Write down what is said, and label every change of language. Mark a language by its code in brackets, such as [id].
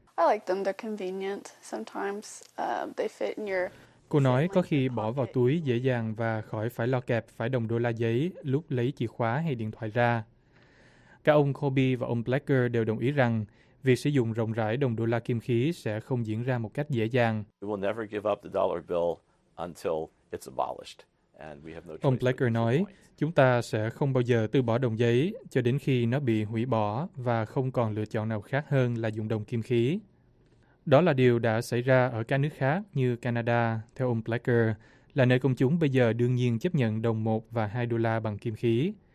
[en] I like them. They're convenient. Sometimes they fit in your. [vi] Cô nói có khi bỏ vào túi dễ dàng và khỏi phải lo kẹp phải đồng đô la giấy lúc lấy chìa khóa hay điện thoại ra. Cả ông Colby và ông Blacker đều đồng ý rằng việc sử dụng rộng rãi đồng đô la kim khí sẽ không diễn ra một cách dễ dàng. [en] We will never give up the dollar bill until it's abolished. And we have no choice. [vi] Ông Blacker nói, chúng ta sẽ không bao giờ từ bỏ đồng giấy cho đến khi nó bị hủy bỏ và không còn lựa chọn nào khác hơn là dùng đồng kim khí. Đó là điều đã xảy ra ở các nước khác như Canada, theo ông Blacker, là nơi công chúng bây giờ đương nhiên chấp nhận đồng 1 và 2 đô la bằng kim khí.